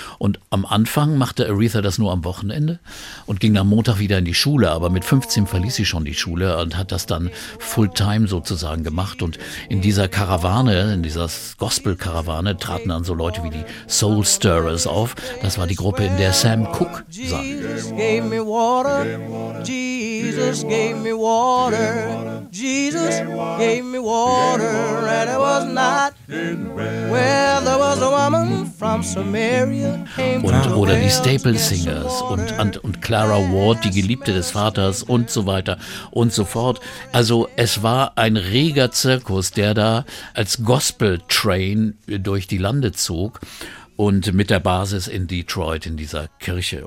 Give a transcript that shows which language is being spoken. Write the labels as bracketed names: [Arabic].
[German] Und am Anfang machte Aretha das nur am Wochenende und ging am Montag wieder in die Schule. Aber mit 15 verließ sie schon die Schule und hat das dann Fulltime sozusagen gemacht. Und in dieser Karawane, in dieser Gospel-Karawane, traten dann so Leute wie die Soul Stirrers auf. Das war die Gruppe, in der Sam Cooke sang. [English] Jesus gave me water, Jesus gave me water, Jesus gave me water, and it was not in well. Well, there was a woman from Samaria. [German] Und oder die Staple Singers und Clara Ward, die Geliebte des Vaters und so weiter und so fort. Also es war ein reger Zirkus, der da als Gospel-Train durch die Lande zog und mit der Basis in Detroit in dieser Kirche.